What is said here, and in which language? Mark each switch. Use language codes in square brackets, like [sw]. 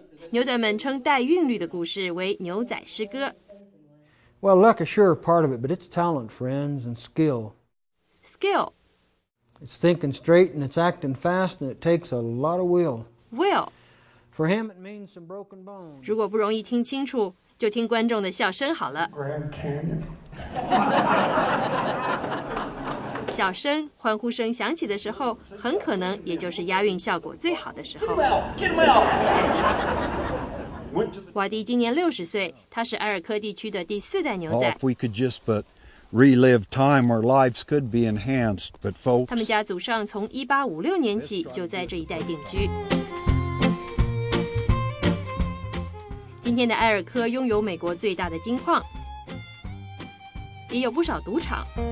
[zh] 牛仔们称带韵律的故事为牛仔诗歌。 [en] Well, luck is sure part of it, but it's talent, friends, and skill. Skill. It's thinking straight and it's acting fast, and it takes a lot of will. Will. For him, it means some broken bones. [zh] 如果不容易听清楚，就听观众的笑声好了。 [en] Grand Canyon. [zh] 笑声、欢呼声响起的时候，很可能也就是押韵效果最好的时候。 [en] Get him out! Get him out! [zh] 瓦迪今年60岁，他是埃尔科地区的第四代牛仔。 [en] Oh, if we could just but relive time, our lives could be enhanced. But folks, [zh] 他们家祖上从1856年起就在这一带定居。今天的埃尔科拥有美国最大的金矿，也有不少赌场。